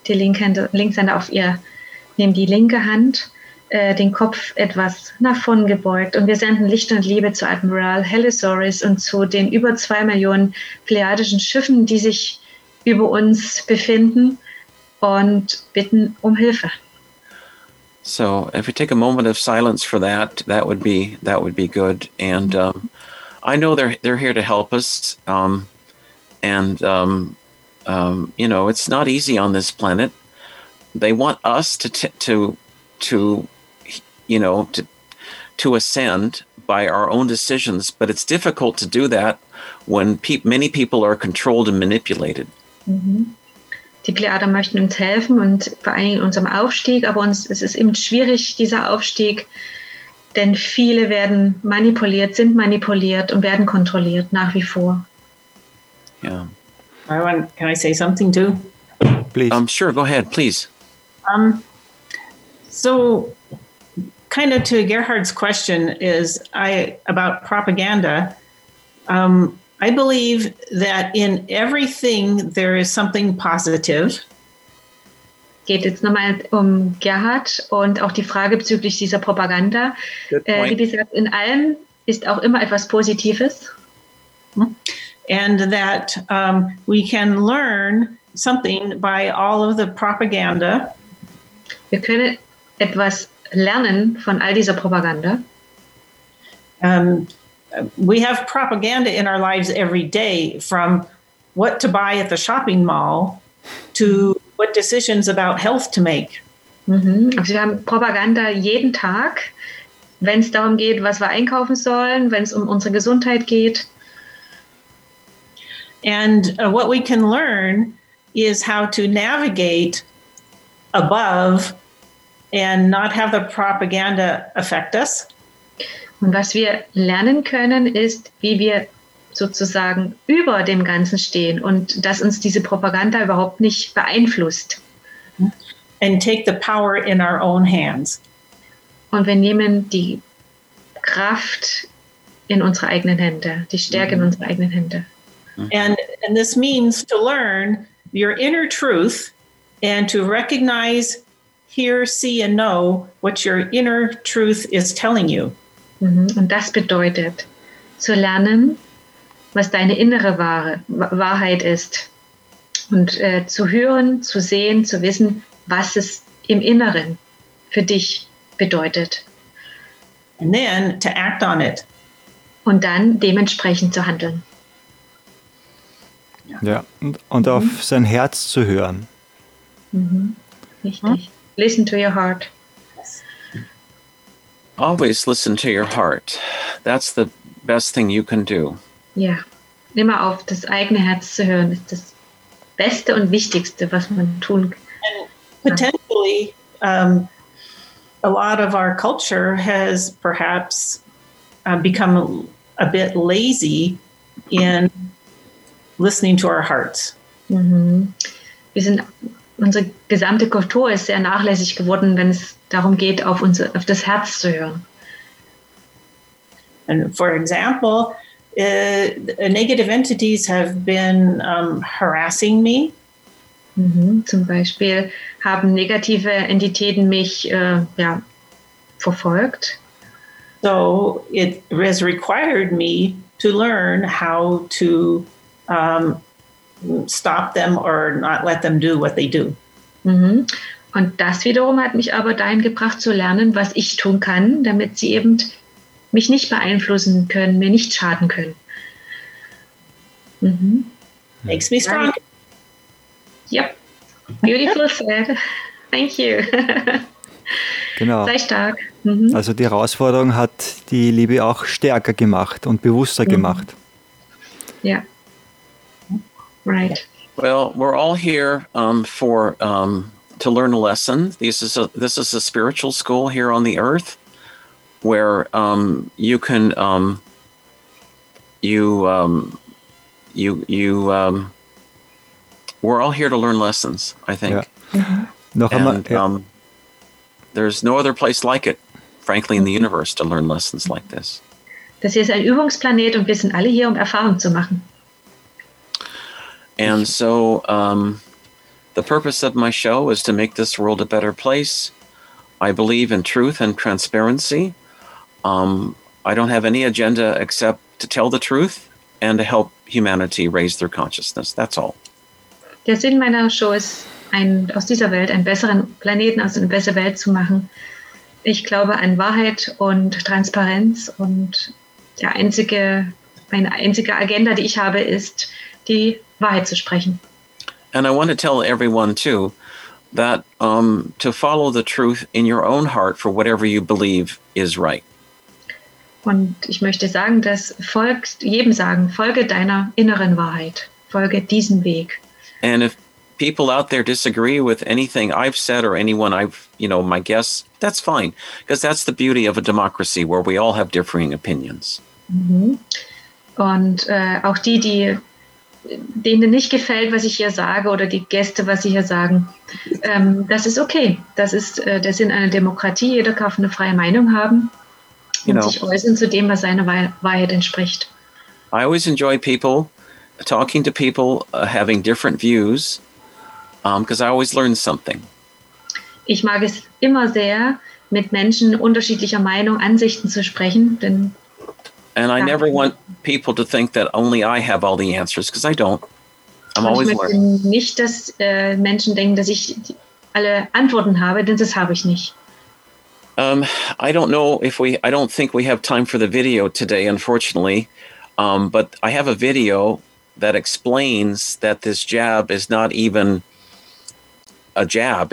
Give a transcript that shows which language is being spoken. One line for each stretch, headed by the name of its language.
German: Die Linkshänder auf ihr, nehmen die linke Hand, den Kopf etwas nach vorn gebeugt. Und wir senden Licht und Liebe zu Admiral Halosaurus und zu den über 2 Millionen pleiadischen Schiffen, die sich über uns befinden. Und bitten um Hilfe.
English: So, if we take a moment of silence for that, that would be good. And I know they're here to help us. You know, it's not easy on this planet. They want us to ascend by our own decisions, but it's difficult to do that when many people are controlled and manipulated.
German: Die Pleiader möchten uns helfen und vor allem in unserem Aufstieg, aber es ist eben schwierig, dieser Aufstieg, denn viele werden manipuliert, sind manipuliert und werden kontrolliert nach wie vor. Ja.
English: Yeah. Marwan, can I say something too? Please. Sure, go ahead, please. So, kind of to Gerhard's question is about propaganda. I believe that in everything there is something positive.
German: Geht jetzt nochmal Gerhard und auch die Frage bezüglich dieser Propaganda. Wie gesagt, in allem ist auch immer etwas Positives.
English: And that we can learn something by all of the propaganda.
German: Wir können etwas lernen von all dieser Propaganda.
English: We have propaganda in our lives every day, from what to buy at the shopping mall to what decisions about health to make. Mm-hmm.
German: Also wir haben Propaganda jeden Tag, wenn es darum geht, was wir einkaufen sollen, wenn es unsere Gesundheit geht.
English: And what we can learn is how to navigate above and not have the propaganda affect us.
German: Und was wir lernen können, ist, wie wir sozusagen über dem Ganzen stehen und dass uns diese Propaganda überhaupt nicht beeinflusst.
English: And take the power in our own hands.
German: Und wir nehmen die Kraft in unsere eigenen Hände, die Stärke in unsere eigenen Hände.
English: And this means to learn your inner truth and to recognize, hear, see and know what your inner truth is telling you.
German: Und das bedeutet, zu lernen, was deine innere Wahrheit ist. Und zu hören, zu sehen, zu wissen, was es im Inneren für dich bedeutet.
English: And then to act on it.
German: Und dann dementsprechend zu handeln. Ja, und auf sein Herz zu hören. Richtig.
English: Listen to your heart. Always listen to your heart. That's the best thing you can do.
German: Ja, immer auf das eigene Herz zu hören, ist das Beste und Wichtigste, was man tun kann.
English: Potentially, a lot of our culture has perhaps become a bit lazy in listening to our hearts.
German: Wir sind, unsere gesamte Kultur ist sehr nachlässig geworden, wenn es darum geht, auf unser, auf das Herz zu hören.
English: And for example, negative entities have been harassing me.
German: Zum Beispiel haben negative Entitäten mich verfolgt.
English: So it has required me to learn how to stop them or not let them do what they do.
German: Und das wiederum hat mich aber dahin gebracht zu lernen, was ich tun kann, damit sie eben mich nicht beeinflussen können, mir nicht schaden können.
English: Makes me strong. Yep. Beautiful said. Thank you.
German: Genau. Sei stark. Also die Herausforderung hat die Liebe auch stärker gemacht und bewusster gemacht. Ja.
English: Yeah. Right. Well, we're all here to learn a lesson. This is a spiritual school here on the earth where we're all here to learn lessons, I think. Yeah. Mm-hmm. And there's no other place like it, frankly, in the universe to learn lessons like this.
German: Das hier ist ein Übungsplanet und wir sind alle hier, um Erfahrungen zu machen.
English: And so the purpose of my show is to make this world a better place. I believe in truth and transparency. I don't have any agenda except to tell the truth and to help humanity raise their consciousness. That's all.
German: Der Sinn meiner Show ist, aus dieser Welt einen besseren Planeten, also eine bessere Welt zu machen. Ich glaube an Wahrheit und Transparenz. Und meine einzige Agenda, die ich habe, ist, die Wahrheit zu sprechen.
English: And I want to tell everyone, too, that to follow the truth in your own heart for whatever you believe is right.
German: Und ich möchte sagen, dass folge deiner inneren Wahrheit. Folge diesem Weg.
English: And if people out there disagree with anything I've said or anyone I've, you know, my guests, that's fine. Because that's the beauty of a democracy where we all have differing opinions.
German: Und auch die, denen nicht gefällt, was ich hier sage oder die Gäste, was sie hier sagen, das ist okay. Das ist der Sinn einer Demokratie. Jeder darf eine freie Meinung haben und sich äußern zu dem, was seiner Wahrheit entspricht.
English: I always enjoy people talking to people having different views because I always learn something.
German: Ich mag es immer sehr, mit Menschen unterschiedlicher Meinung, Ansichten zu sprechen, denn
English: and I never want people to think that only I have all the answers, because I don't. I'm always learning.
German: Ich möchte nicht, dass Menschen denken, dass ich alle Antworten habe, denn das habe ich nicht.
English: I don't think we have time for the video today, unfortunately. But I have a video that explains that this jab is not even a jab.